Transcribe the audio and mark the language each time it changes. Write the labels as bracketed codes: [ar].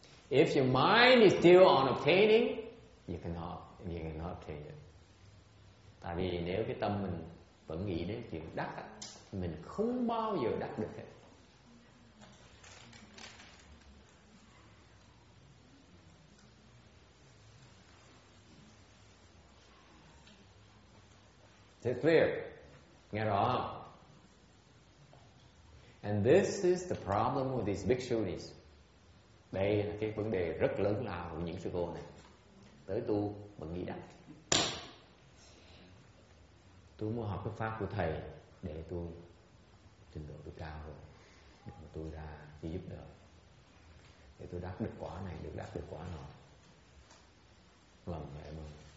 [en] If your mind is still on obtaining, you cannot obtain it. [vi] Tại vì nếu cái tâm mình vẫn nghĩ đến chuyện đắc thì mình không bao giờ đắc được hết. [en] Is it clear? [vi] Nghe rõ không? [en] And this is the problem with these bhikshunis. [vi] Đây là cái vấn đề rất lớn lao của những sư cô này. Tới tu mà nghĩ đắc. Tôi muốn học cái pháp của thầy để tôi trình độ tôi cao hơn, để tôi ra đi giúp đỡ, để tôi đắc được quả này, được đắc được quả nọ. Lầm mẹ mừng.